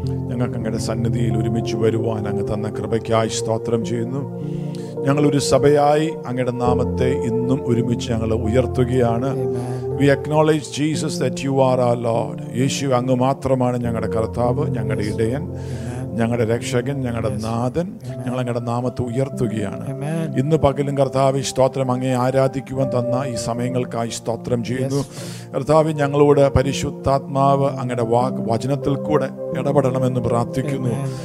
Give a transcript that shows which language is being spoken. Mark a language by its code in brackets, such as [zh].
[ml] ഞങ്ങൾക്കങ്ങയുടെ സന്നിധിയിൽ ഒരുമിച്ച് വരുവാൻ അങ്ങ് തന്ന കൃപയ്ക്കായി സ്തോത്രം ചെയ്യുന്നു. ഞങ്ങളൊരു സഭയായി അങ്ങയുടെ നാമത്തെ ഇന്നും ഒരുമിച്ച് ഞങ്ങൾ ഉയർത്തുകയാണ്. [en] We acknowledge Jesus that you are our Lord. [ml] യേശു അങ്ങ് മാത്രമാണ് ഞങ്ങളുടെ കർത്താവ്, ഞങ്ങളുടെ ഇടയൻ, ഞങ്ങളുടെ രക്ഷകൻ, ഞങ്ങളുടെ നാഥൻ. ഞങ്ങൾ അങ്ങയുടെ നാമത്തെ ഉയർത്തുകയാണ്. ഇന്ന് പകലും കർത്താവ് സ്തോത്രം അങ്ങേ ആരാധിക്കുവാൻ തന്ന ഈ സമയങ്ങൾക്കായി സ്തോത്രം ചെയ്യുന്നു. കർത്താവ് ഞങ്ങളോട് പരിശുദ്ധാത്മാവ് അങ്ങയുടെ വാക്ക് വചനത്തിൽ കൂടെ ഇടപെടണമെന്ന് പ്രാർത്ഥിക്കുന്നു.